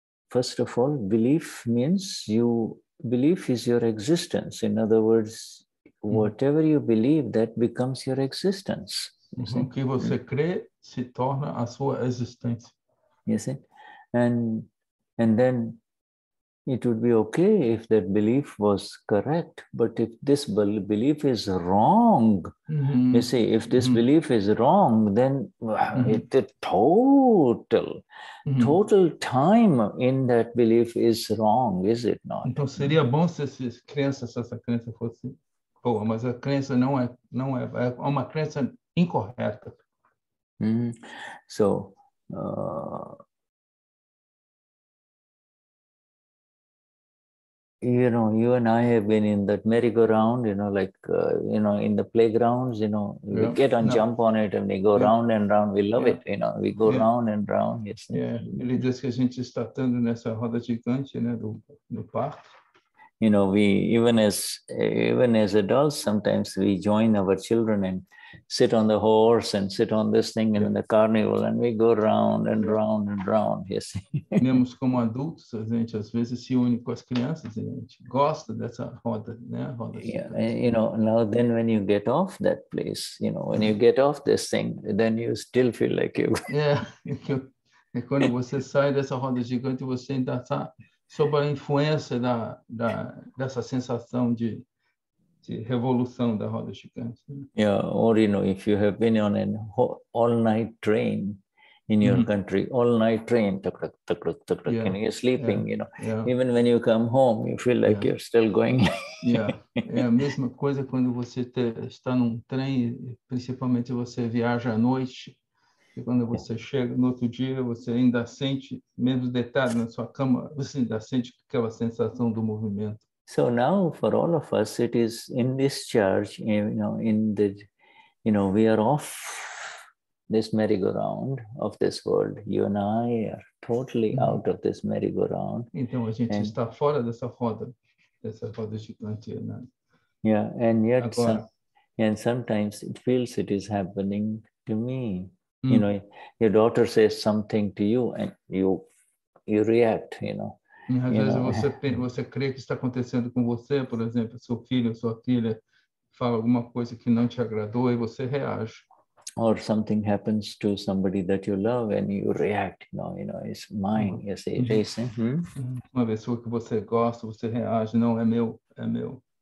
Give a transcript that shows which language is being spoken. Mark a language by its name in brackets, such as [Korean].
[English] First of all, belief means belief is your existence. In other words, whatever you believe, that becomes your existence. [Portuguese] O que você crê se torna a sua existência. [English] You see, and then it would be okay if that belief was correct, but if this belief is wrong, mm-hmm. you see, if this mm-hmm. belief is wrong, then mm-hmm. it, the total, mm-hmm. total time in that belief is wrong, is it not? [Portuguese] Então seria bom se essa crença, se essa crença fosse boa, mas a crença não é uma crença incorreta. [English] Mm-hmm. So. You know, you and I have been in that merry-go-round, you know, like, you know, in the playgrounds, you know, yeah. we get and no. jump on it and we go yeah. round and round. We love yeah. it, you know, we go yeah. round and round. Yes. [Portuguese] Yeah, ele diz que a gente está tendo nessa roda gigante, né, do parque. [English] You know, we, even as adults, sometimes we join our children and sit on the horse and sit on this thing and yeah. in the carnival and we go round and yeah. round and round, you see. [Portuguese] Mesmo como adultos, a gente às vezes se une com as crianças e a gente gosta dessa roda, né? Roda [English] yeah, you know, now then when you get off that place, you know, when you get off this thing, then you still feel like you... [Portuguese] yeah, e quando você sai dessa roda gigante, você ainda está sob a influência dessa sensação de... revolução da roda gigante. [English] Yeah, or you know, if you have been on an all-night train in your mm-hmm. country, all-night train, tuk-tuk-tuk-tuk-tuk, yeah. and you're sleeping, yeah. you know. Yeah. Even when you come home, you feel like yeah. you're still going. [Portuguese] Yeah, é a mesma coisa quando você está num trem, principalmente você viaja à noite, e quando você yeah. chega no outro dia, você ainda sente, mesmo deitado na sua cama, você ainda sente aquela sensação do movimento. [English] So now, for all of us, it is in this charge, you know, in the, you know, we are off this merry-go-round of this world. You and I are totally mm-hmm. out of this merry-go-round. [Portuguese] Então, a gente está fora dessa roda gigante, né? [English] Yeah, and yet, and sometimes it feels it is happening to me. Mm-hmm. You know, your daughter says something to you and you react, you know. [Portuguese] E às vezes você crê que está acontecendo com você, por exemplo, seu filho ou sua filha fala alguma coisa que não te agradou e você reage. [English] Or something happens to somebody that you love and you react, you know, it's mine, you say, Jason. Mm-hmm. [Portuguese] Uma pessoa que você gosta, você reage, não, é meu, é meu.